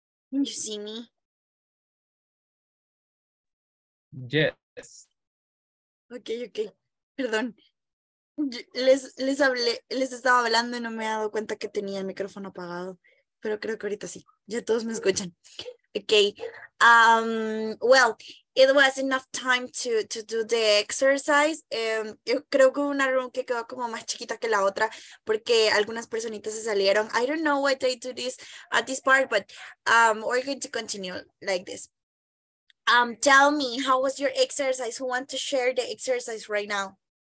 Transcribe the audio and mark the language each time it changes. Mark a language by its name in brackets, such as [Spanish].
[English] Can you see me? Yes. Okay, okay. Perdón. [Spanish] Les hablé, les estaba hablando y no me he dado cuenta que tenía el micrófono apagado, pero creo que ahorita sí. Ya todos me escuchan. Okay. [English] Well, it was enough time to do the exercise. [Spanish] Yo creo que una room que quedó como más chiquita que la otra porque algunas personitas se salieron. [English] I don't know why they do this at this part, but we're going to continue like this. Tell me, how was your exercise? Who wants to share the exercise right now?